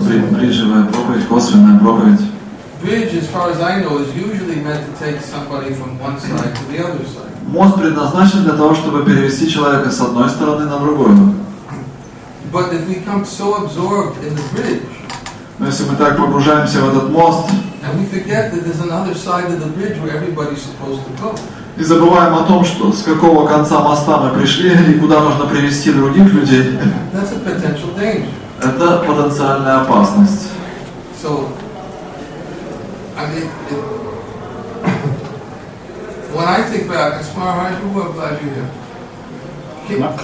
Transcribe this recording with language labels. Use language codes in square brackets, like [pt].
[ru] бриджевая проповедь, косвенная проповедь. [en] Bridge, as far as I know, is usually meant to take somebody from one side to the other side. [ru] Мост предназначен для того, чтобы перевести человека с одной стороны на другую. [en] But if we become so absorbed in the bridge, [ru] но если мы так погружаемся в этот мост, [en] and we forget that there's another side of the bridge where everybody's supposed to go. [ru] И забываем о том, что с какого конца моста мы пришли и куда нужно привести других людей. [en] That's a potential danger. [ru] Это потенциальная опасность. [en] So, I mean, when I think back, it's Maharaj, I'm glad you're here.